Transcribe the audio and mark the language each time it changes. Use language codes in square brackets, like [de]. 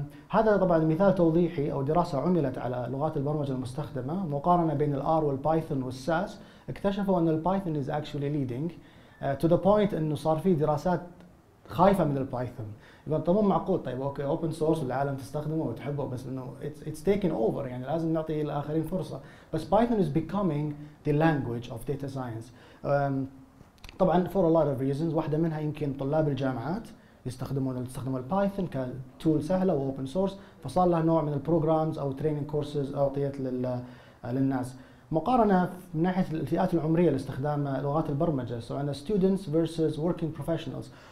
[ar] هذا طبعا مثال توضيحي او دراسه عملت على لغات البرمجه المستخدمه مقارنه بين الار والبايثون والساس. اكتشفوا ان البايثون [en] is actually leading to the point [ar] انه صار في دراسات خايفه من البايثون. يبقى طبعا معقول، طيب اوكي اوبن سورس والعالم تستخدمه وتحبه، بس انه [en] it's taken over، [ar] يعني لازم نعطي الاخرين فرصه. [en] بس Python is becoming the language of data science. [ar] طبعا [en] for a lot of reasons، [ar] واحده منها يمكن طلاب الجامعات يستخدموا البايثون كتول سهله واوبن سورس، فصار لها نوع من البروجرامز او تريننج كورسز اعطيت للناس. مقارنه من ناحيه الفئات العمريه لاستخدام لغات البرمجه، سو عندنا ستودنتس فيرسز وركينج بروفيشنالز.